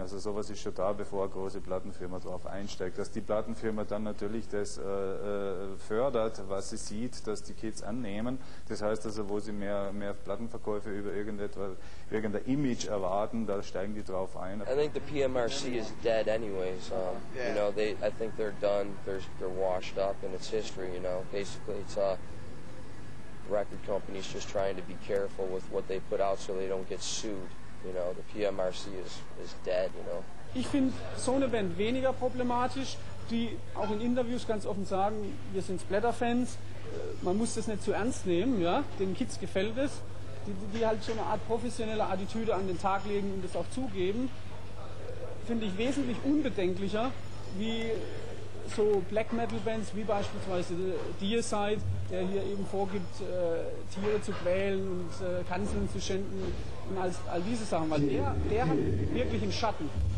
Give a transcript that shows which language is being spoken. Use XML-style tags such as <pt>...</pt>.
<de>Also sowas ist schon da, bevor eine große Plattenfirma drauf einsteigt. Dass die Plattenfirma dann natürlich das fördert, was sie sieht, dass die Kids annehmen. Das heißt also, wo sie mehr Plattenverkäufe über irgendetwas, irgendein Image erwarten, da steigen die drauf ein.</de> <en>I think the PMRC is dead anyways. You know, I think they're done, they're washed up and it's history, you know. Basically it's a record companies just trying to be careful with what they put out so they don't get sued, you know, the PMRC is dead, you know.</en> <de>Ich finde so eine Band weniger problematisch, die auch in Interviews ganz offen sagen, wir sind Splatter-Fans, man muss das nicht zu ernst nehmen, ja, den Kids gefällt es, die halt schon eine Art professionelle Attitüde an den Tag legen und das auch zugeben, finde ich wesentlich unbedenklicher, wie so Black-Metal-Bands wie beispielsweise Deicide, der hier eben vorgibt, Tiere zu quälen und Kanzeln zu schänden und all diese Sachen, weil der hat wirklich einen Schatten.</de>